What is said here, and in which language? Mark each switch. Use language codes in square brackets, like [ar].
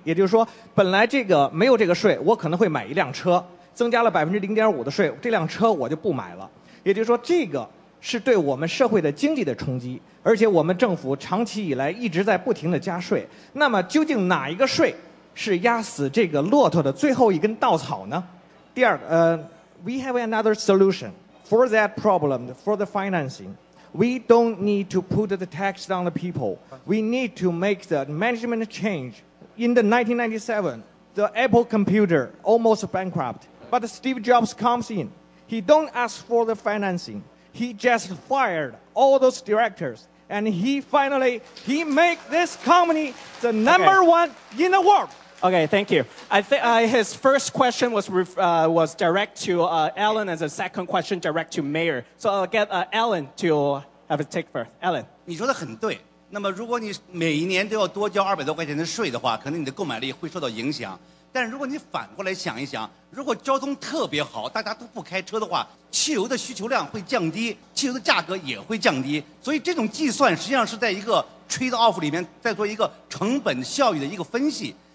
[zh] 也就是说，本来这个没有这个税，我可能会买一辆车，增加了0.5%的税，这辆车我就不买了。也就是说，这个是对我们社会的经济的冲击，而且我们政府长期以来一直在不停地加税。那么究竟哪一个税是压死这个骆驼的最后一根稻草呢？第二个， [en] we have another solution for that problem, for the financing. We don't need to put the tax on the people. We need to make the management change. In the 1997, the Apple computer almost bankrupt. But Steve Jobs comes in. He don't ask for the financing. He just fired all those directors, and he finally, he make this company the number one in the world. Okay, thank you. His first question was direct to Alan, and the second question direct to Mayor. So I'll get Alan to have a take first. Alan. [zh] 你说的很对。那么如果你每一年都要多交200多块钱的税的话，可能你的购买力会受到影响。但如果你反过来想一想，如果交通特别好，大家都不开车的话，汽油的需求量会降低，汽油的价格也会降低。所以这种计算实际上是在一个 trade off 里面在做一个成本效益的一个分析。